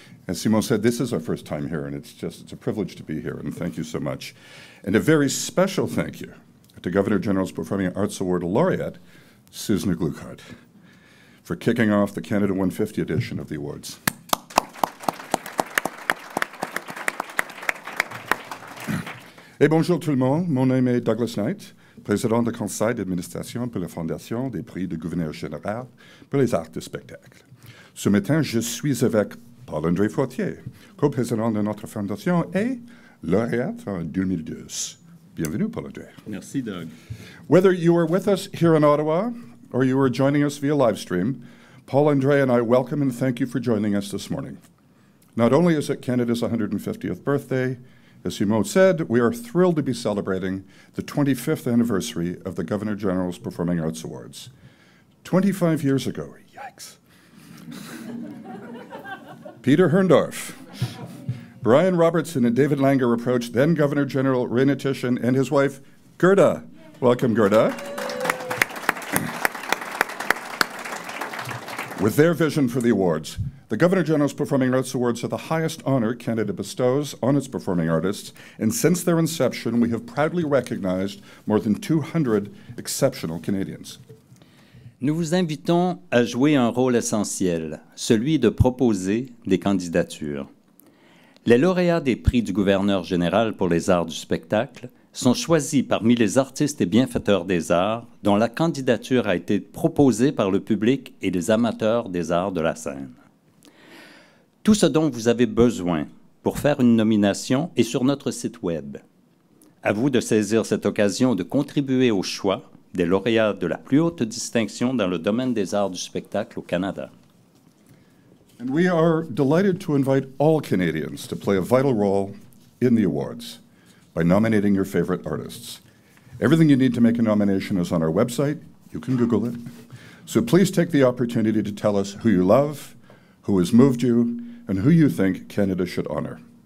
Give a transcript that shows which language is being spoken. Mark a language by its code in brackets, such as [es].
[en] As Simon said, this is our first time here, and it's a privilege to be here, and thank you so much. And a very special thank you to Governor General's Performing Arts Award laureate, Susan Gluckart, for kicking off the Canada 150 edition of the awards. [fr] Et bonjour tout le monde, mon nom est Douglas Knight, président du conseil d'administration pour la Fondation des prix du gouverneur général pour les arts de spectacle. Ce matin, je suis avec Paul-André Fortier, co-président de notre fondation et lauréate en 2012. Bienvenue, Paul-André. Merci, Doug. [en] Whether you are with us here in Ottawa or you are joining us via live stream, Paul-André and I welcome and thank you for joining us this morning. Not only is it Canada's 150th birthday, as Simon said, we are thrilled to be celebrating the 25th anniversary of the Governor General's Performing Arts Awards. 25 years ago, yikes, Peter Herndorf, Brian Robertson, and David Langer approached then Governor General Raina Tishon and his wife, Gerda. Welcome, Gerda. With their vision for the awards, the Governor General's Performing Arts Awards are the highest honor Canada bestows on its performing artists, and since their inception, we have proudly recognized more than 200 exceptional Canadians. [fr] Nous vous invitons à jouer un rôle essentiel, celui de proposer des candidatures. Les lauréats des prix du gouverneur général pour les arts du spectacle sont choisis parmi les artistes et bienfaiteurs des arts dont la candidature a été proposée par le public et les amateurs des arts de la scène. Tout ce dont vous avez besoin pour faire une nomination est sur notre site Web. À vous de saisir cette occasion de contribuer au choix des lauréats de la plus haute distinction dans le domaine des arts du spectacle au Canada. [en] And we are delighted to invite all Canadians to play a vital role in the awards by nominating your favorite artists. Everything you need to make a nomination is on our website. You can Google it. So please take the opportunity to tell us who you love, who has moved you, and who you think Canada should honor.